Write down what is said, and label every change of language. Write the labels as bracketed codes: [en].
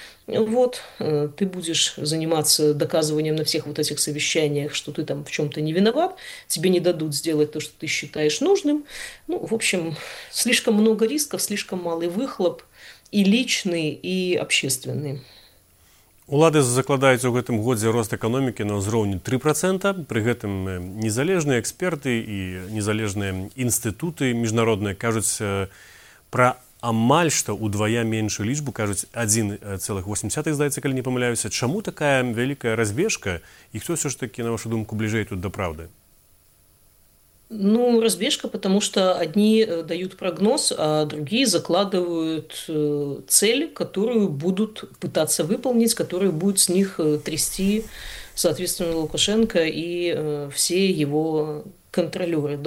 [ru] Вот, ты будешь заниматься доказыванием на всех вот этих совещаниях, что ты там в чем-то не виноват, тебе не дадут сделать то, что ты считаешь нужным. Ну, в общем, слишком много рисков, слишком малый выхлоп и личный, и общественный. [be] Улады закладаюць у гэтым годзе рост эканомікі на ўзроўні 3%. Пры гэтым незалежныя эксперты і незалежныя інстытуты міжнародныя кажуць пра амаль што ўдвая меншую лічбу, кажуць 1,8, здаецца, калі не памыляюся. Чаму такая вялікая разбежка і хто ўсё ж такі, на вашу думку, бліжэй тут да праўды? [ru] Ну, разбежка, потому что одни дают прогноз, а другие закладывают цель, которую будут пытаться выполнить, которую будет с них трясти, соответственно, Лукашенко и все его контролеры.